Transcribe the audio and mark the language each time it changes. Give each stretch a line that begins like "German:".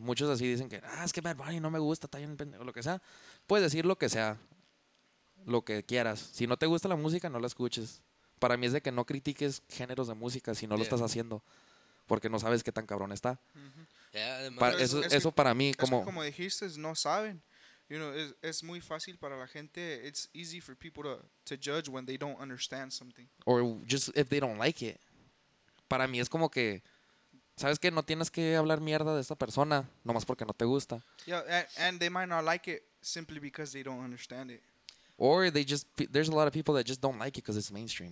Spanish: Muchos así dicen que, ah, es que Bad Bunny no me gusta, está bien pendejo, lo que sea. Puedes decir lo que sea, lo que quieras. Si no te gusta la música, no la escuches. Para mí es de que no critiques géneros de música si no lo estás haciendo, porque no sabes qué tan cabrón está.
English: Uh-huh. Yeah,
Spanish: para, eso es eso que, para mí, como. Es que como dijiste, no saben.
English: You know,
Spanish: es muy fácil para la gente.
English: It's easy for people to judge when they don't understand something. Or just if they don't like it.
Spanish: Para mí es como que, ¿sabes qué? No tienes que hablar mierda de esta persona nomás porque no te gusta.
English: Yeah, and they might not like it simply because they don't understand it. Or they just, there's a lot of people that just don't like it because it's mainstream.